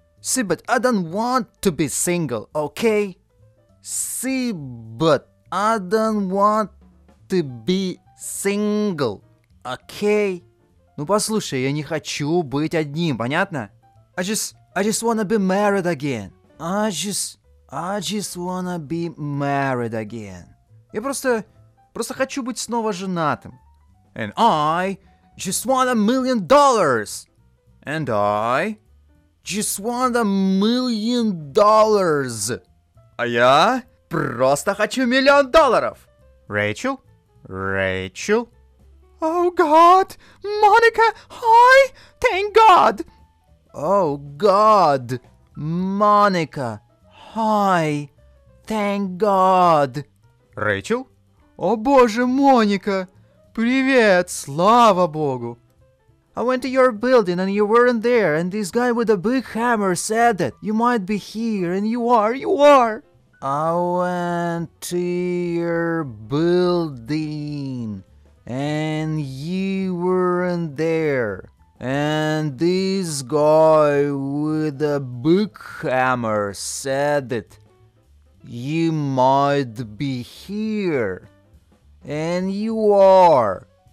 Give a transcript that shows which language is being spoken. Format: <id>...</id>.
<en>See, but I don't want to be single, okay? See, but I don't want to be single, okay?</en> <ru>Ну послушай, я не хочу быть одним, понятно?</ru> <en>I just wanna be married again. I just wanna be married again.</en> <ru>Я просто хочу быть снова женатым.</ru> <en>And I just want $1 million. And I just want $1 million.</en> <ru>А я просто хочу миллион долларов. Рэйчел? Рэйчел?</ru> <en>Oh God, Monica, hi, thank God. Oh God, Monica, hi, thank God.</en> <ru>Рэйчел? О боже, Моника, привет, слава богу.</ru> <en>I went to your building and you weren't there, and this guy with a big hammer said that you might be here, and you are. I went to your building and you weren't there, and this guy with a big hammer said that you might be here, and you are.</en>